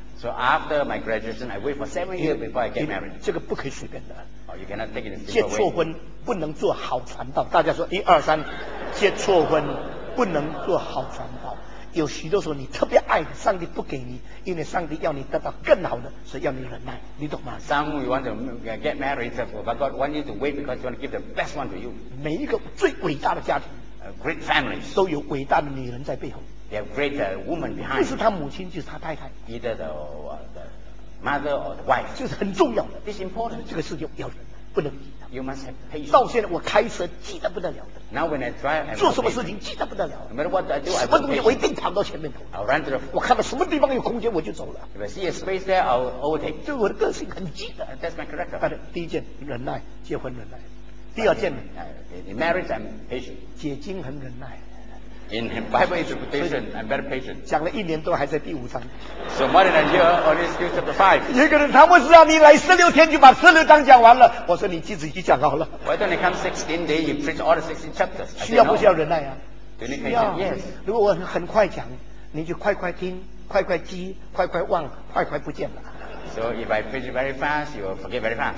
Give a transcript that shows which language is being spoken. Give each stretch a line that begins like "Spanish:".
English: So after my graduation, I wait for 7 years before I get married.
Chinese: 这个不可以随便的。
English: Oh, you cannot take it away.
Chinese: 结错婚不能做好传道。大家说一二三，结错婚不能做好传道。有许多时候你特别爱上帝不给你，因为上帝要你得到更好的，所以要你忍耐，你懂吗？
English: Some you want to get married, but God want you to wait because he want to give the best one to you.
Chinese: 每一个最伟大的家庭
English: great families
Chinese: 都有伟大的女人在背后。
English: They have great woman behind.
Chinese: 不是他母亲就是他太太。
English: Either the mother or the wife.
Chinese: 这是很重要的。
English: This important.
Chinese: 这个事情要忍耐，不能
English: You must have patience.
Chinese: 到现在我开车记得不得了的。
English: Now when I drive, I'm
Chinese: 做什么事情记得不得了。
English: No matter what I do, I'm patient.
Chinese: 什么东西我一定跑到前面头。
English: I'll run to the.
Chinese: 我看到什么地方有空间我就走了。
English: If I see a space there, I'll overtake.
Chinese: 就我的个性很急的。
English: That's my character.
Chinese: 但是第一件忍耐，结婚忍耐。第二件呢？
English: In marriage, I'm patient.
Chinese: 解经很忍耐。
English: In Bible interpretation, I'm very patient.
Chinese: 讲了一年多还在第五章。
English: So more than a year, only still chapter five.
Chinese: 一个人他们是让你来十六天就把十六章讲完了，我说你自己去讲好了。
English: Why don't you come 16 days? You preach all the 16 chapters.
Chinese: 需要不需要忍耐啊？需要。
English: Yes.
Chinese: 如果我很快讲，你就快快听，快快记，快快忘，快快不见了。
English: So if I preach very fast, you will forget very fast.